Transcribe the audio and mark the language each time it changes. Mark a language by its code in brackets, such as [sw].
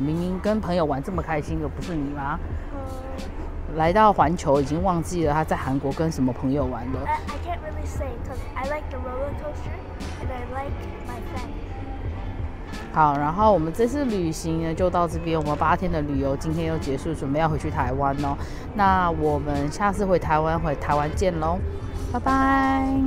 [zh] 明明跟朋友玩这么开心的不是你吗？来到环球已经忘记了他在韩国跟什么朋友玩了。 [en] I can't really say because I like the roller coaster and I like my friends. [zh] 好，然后我们这次旅行呢就到这边，我们8天的旅游今天又结束，准备要回去台湾哦。那我们下次回台湾见喽，拜拜。